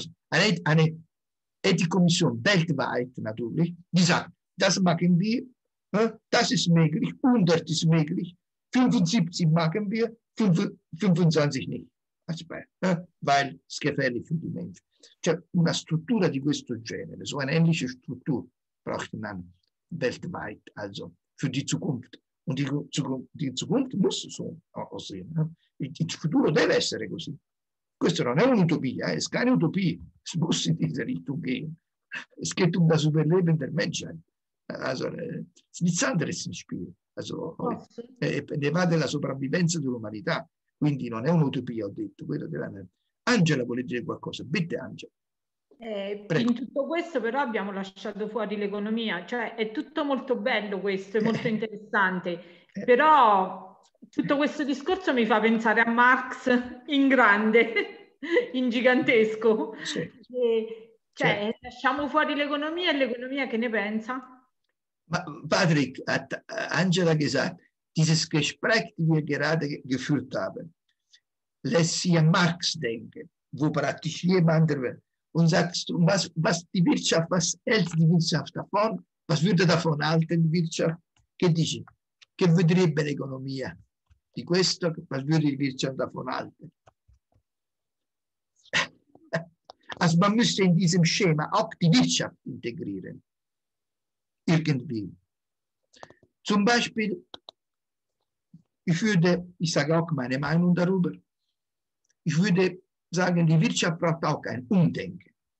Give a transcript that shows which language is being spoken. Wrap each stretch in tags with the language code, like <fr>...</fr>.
<de>Eine Ethikkommission weltweit natürlich, die sagt, das machen wir, das ist möglich, 100 ist möglich, 75 machen wir, 25 nicht. Weil es gefährlich für die Menschen.</de> <it>Cioè una struttura di questo genere,</it> <de>so eine ähnliche Struktur braucht man weltweit, also für die Zukunft. Und die Zukunft muss so aussehen.</de> <it>Il futuro deve essere così. Questo non è un'utopia, è</it> <de>keine Utopie. Es muss in diese Richtung gehen. Es geht das Überleben der Menschen. Also, es ist nichts anderes im Spiel. Also,</de> <it>ne va della sopravvivenza dell'umanità. Quindi non è un'utopia, ho detto. Quello della... Angela vuole dire qualcosa.</it> <de>Bitte, Angela.</de> <it>In tutto questo però abbiamo lasciato fuori l'economia. Cioè, è tutto molto bello questo, è molto interessante. Però tutto questo discorso mi fa pensare a Marx in grande, in gigantesco. Sì. Cioè, sì. Lasciamo fuori l'economia e l'economia che ne pensa? Ma Patrick, Angela che sa...</it> <de>Dieses Gespräch, die wir gerade geführt haben, lässt sie an Marx denken, wo praktisch jemand und sagt, was die Wirtschaft, was hält die Wirtschaft davon, was würde davon halten die Wirtschaft?</de> <it>Che dici? Che vedrebbe l'economia di questo?</it> <de>Was würde die Wirtschaft davon halten? Also man müsste in diesem Schema auch die Wirtschaft integrieren. Irgendwie. Zum Beispiel, ich sage auch meine Meinung darüber, ich würde sagen, die Wirtschaft braucht auch ein Umdenken.</de>